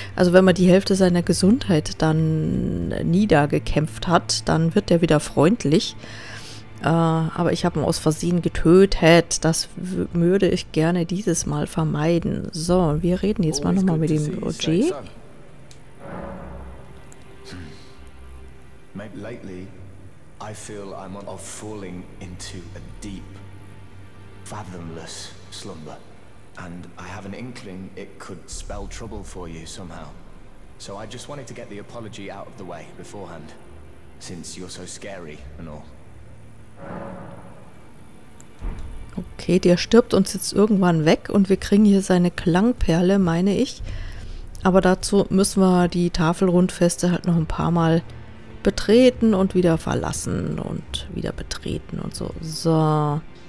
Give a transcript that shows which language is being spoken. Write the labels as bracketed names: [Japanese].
[German] Also wenn man die Hälfte seiner Gesundheit dann niedergekämpft hat, dann wird der wieder freundlich. Aber ich habe ihn aus Versehen getötet. Das würde ich gerne dieses Mal vermeiden. So, wir reden jetzt mal nochmal mit dem Roger. [English] Lately, I feel I'm on of falling into a deep, fathomless slumber, and I have an inkling it could spell trouble for you somehow. So I just wanted to get the apology out of the way beforehand, since you're so scary and all. [German] Okay, der stirbt uns jetzt irgendwann weg und wir kriegen hier seine Klangperle, meine ich. Aber dazu müssen wir die Tafelrundfeste halt noch ein paar Mal betreten und wieder verlassen und wieder betreten und so. So.